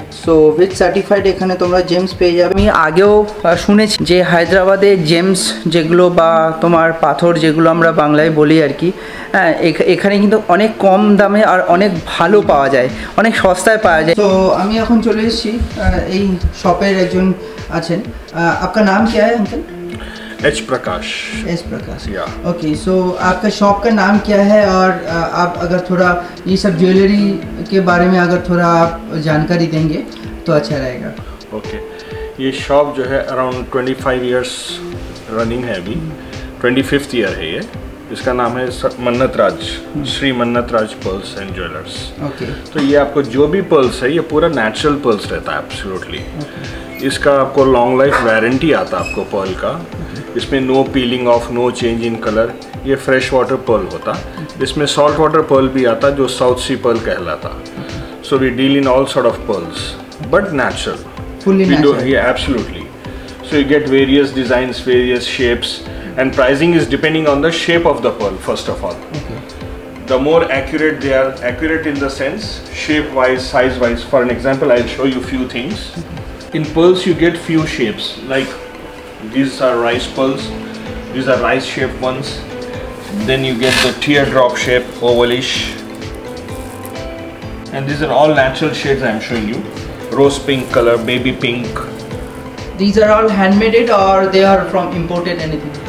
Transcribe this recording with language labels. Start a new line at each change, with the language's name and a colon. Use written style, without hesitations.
English: so with certified
Bangla: এখানে তোমরা James পেয়ে যাবে আমি আগেও শুনেছি যে হায়দ্রাবাদে জেমস যেগুলো বা তোমার পাথর যেগুলো আমরা বাংলায় বলি আর কি হ্যাঁ এখানে কিন্তু অনেক কম দামে আর অনেক ভালো পাওয়া যায় অনেক সস্তায় পাওয়া যায় তো আমি এখন চলে এসেছি এই শপের একজন আছেন আপনার নাম কি আছে আঙ্কেল
Hindi: एच प्रकाश एच प्रकाश या ओके सो आपका शॉप का नाम क्या है और आप अगर थोड़ा ये सब ज्वेलरी के बारे में अगर थोड़ा आप जानकारी देंगे तो अच्छा रहेगा ओके ये शॉप जो है अराउंड 25 इयर्स रनिंग है अभी 25th ईयर है ये इसका नाम है मन्नत राज श्री मन्नत राज पर्ल्स एंड ज्वेलर्स ओके तो ये आपको जो भी पर्ल्स है ये पूरा नेचुरल पर्ल्स रहता है एब्सोल्युटली इसका आपको लॉन्ग लाइफ वारंटी आता है आपको पर्ल का इसमें
English: no peeling off no change in colour
Hindi: ये फ्रेश वाटर पर्ल होता इसमें सॉल्ट वाटर पर्ल भी आता जो साउथ सी पर्ल कहलाता
English: So we deal in all sort of pearls but natural fully natural या absolutely so you get various designs various shapes and pricing is depending on the shape of the pearl first of all the more accurate they are accurate in the sense shape wise size wise for an example I will show you few things in pearls you get few shapes like These are rice pearls. These are rice shaped ones. Then you get the teardrop shape, ovalish. And these are all natural shades I'm showing you. Rose pink color, baby pink. These are all handmade or they are from imported anything?